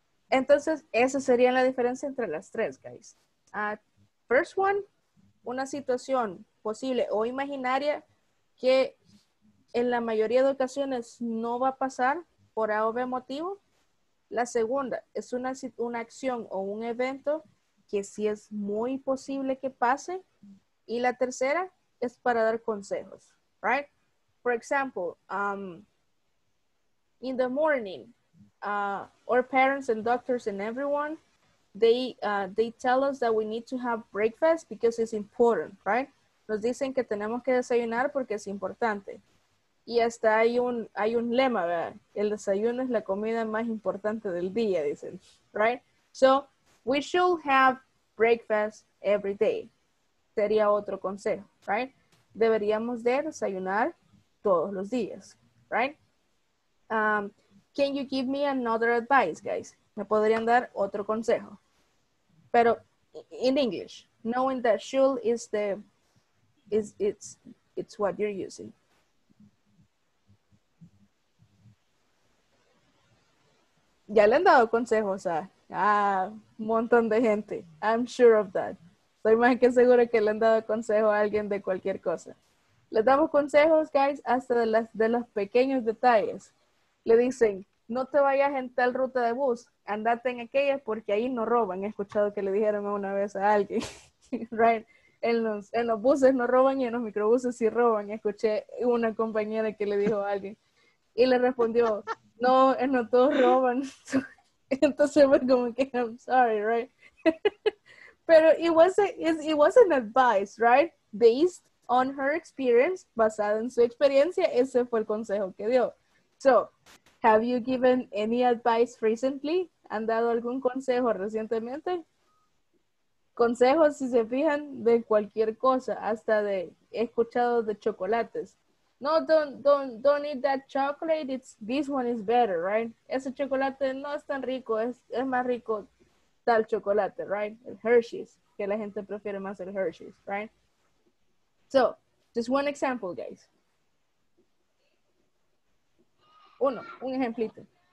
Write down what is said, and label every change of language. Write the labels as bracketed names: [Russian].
[Spanish] Entonces, esa sería la diferencia entre las tres, guys. [English] First one, [Spanish] una situación posible o imaginaria que en la mayoría de ocasiones no va a pasar por A o B motivo. La segunda es una acción o un evento que sí es muy posible que pase. Y la tercera es para dar consejos, right? [English] For example, in the morning, our parents and doctors and everyone, they tell us that we need to have breakfast because it's important, right? [Spanish] Nos dicen que tenemos que desayunar porque es importante. Y hasta hay un lema, ¿verdad? El desayuno es la comida más importante del día, dicen, right? [English] So, we should have breakfast every day. [Spanish] Sería otro consejo, right? Deberíamos de desayunar todos los días, right? [English] Can you give me another advice, guys? [Spanish] ¿Me podrían dar otro consejo? [English] Pero, in English, knowing that should is the, is it's what you're using. [Spanish] Ya le han dado consejos a un montón de gente. [English] I'm sure of that. [Spanish] Estoy más que segura que le han dado consejo a alguien de cualquier cosa. Les damos consejos, guys, hasta de los pequeños detalles. Le dicen, no te vayas en tal ruta de bus. Andate en aquella porque ahí no roban. He escuchado que le dijeron una vez a alguien. Right? En los buses no roban y en los microbuses sí roban. Escuché una compañera que le dijo a alguien. Y le respondió, no todos roban. Entonces fue como que, [English] I'm sorry, right? Pero it was an advice, right? Based on her experience, [Spanish] basada en su experiencia, ese fue el consejo que dio. [English] So, have you given any advice recently? [Spanish] ¿Han dado algún consejo recientemente? consejos, si se fijan, de cualquier cosa, hasta de, he escuchado de chocolates. [English] No, don't eat that chocolate, it's, this one is better, right? [Spanish] Ese chocolate no es tan rico, es más rico tal chocolate, right? El Hershey's, que la gente prefiere más el Hershey's, right? [English] So, just one example, guys. [Spanish] Uno, un ejemplito.